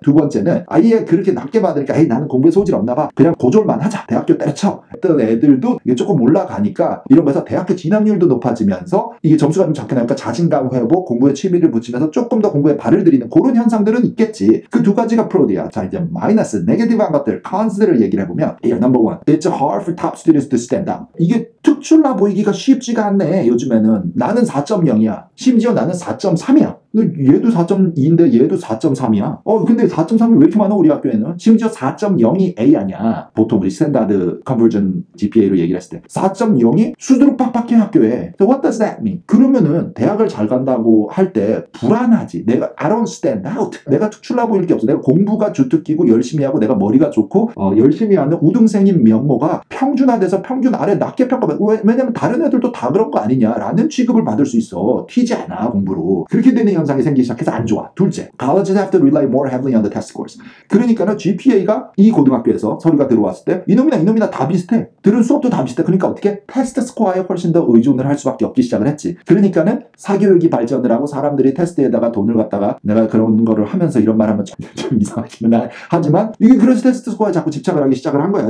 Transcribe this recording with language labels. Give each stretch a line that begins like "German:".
Korean: 두 번째는 아예 그렇게 낮게 받으니까 에이 나는 공부에 소질 없나 봐. 그냥 고졸만 하자. 대학교 때려쳐. 했던 애들도 이게 조금 올라가니까 이런 거에서 대학교 진학률도 높아지면서 이게 점수가 좀 적게 나니까 자신감 회복, 공부에 취미를 붙이면서 조금 더 공부에 발을 들이는 그런 현상들은 있겠지. 그 두 가지가 프로디야. 자, 이제 마이너스, 네거티브한 것들, 컨스들을 얘기를 해보면
English: number one, it's hard for top students to stand down.
Korean: 이게 특출나 보이기가 쉽지가 않네. 요즘에는 나는 4.0이야. 심지어 나는 4.3이야. 근데 얘도 4.2인데 얘도 4.3이야. 근데 4.3이 왜 이렇게 많아 우리 학교에는? 심지어 4.0이 A 아니야. 보통 우리 스탠다드 컨버전 GPA로 얘기를 했을 때 4.0이 수두룩 빡빡해 학교에.
English: So what does that mean?
Korean: 그러면은 대학을 잘 간다고 할 때 불안하지. 내가
English: I don't stand out.
Korean: 내가 특출나 보일 게 없어. 내가 공부가 주특기고 열심히 하고 내가 머리가 좋고 열심히 하는 우등생인 면모가 평준화돼서 평균 아래 낮게 평가받고 왜냐면 다른 애들도 다 그런 거 아니냐라는 취급을 받을 수 있어. 튀지 않아 공부로. 그렇게 되는 현상이 생기기 시작해서 안 좋아.
English: 둘째, colleges have to rely more heavily on the test scores.
Korean: 그러니까 GPA가 이 고등학교에서 서류가 들어왔을 때 이놈이나 다 비슷해. 들은 수업도 다 비슷해. 그러니까 어떻게? 테스트 스코어에 훨씬 더 의존을 할 수밖에 없기 시작을 했지. 그러니까 사교육이 발전을 하고 사람들이 테스트에다가 돈을 갖다가 내가 그런 거를 하면서 이런 말 하면 좀 이상하지만 하지만 이게 그래서 테스트 스코어에 자꾸 집착을 하기 시작을 한 거야.